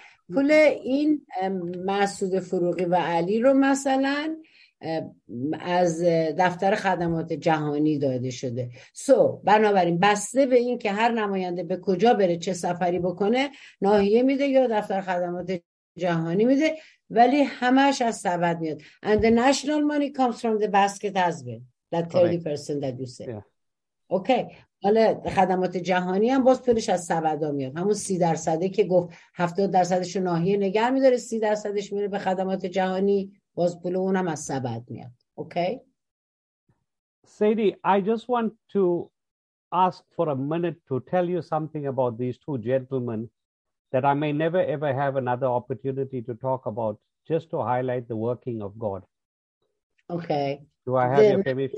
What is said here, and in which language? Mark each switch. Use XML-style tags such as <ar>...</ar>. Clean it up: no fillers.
<fa>پول این مسعود فروغی و علی رو مثلا از دفتر خدمات جهانی داده شده. سو بنابراین بسته به این که هر نماینده به کجا بره چه سفری بکنه، ناحیه میده یا دفتر خدمات جهانی میده، ولی همش از سبد میاد.</fa> <en>And the national money comes from the basket as well. That 30% that you say. Yeah. Okay.</en> <fa>حالا خدمات جهانی هم باز پولش از سبدا میاد، همون 30% که گفت 70% رو ناحیه نگر میداره، 30% میره به خدمات جهانی، باز پول اونم از سبد میاد. اوکی</fa> <en>سیدی، I just want to ask for a minute to tell you something about these two gentlemen that I may never ever have another opportunity to talk about, just to highlight the working of God. Okay. Do I have your permission?</en>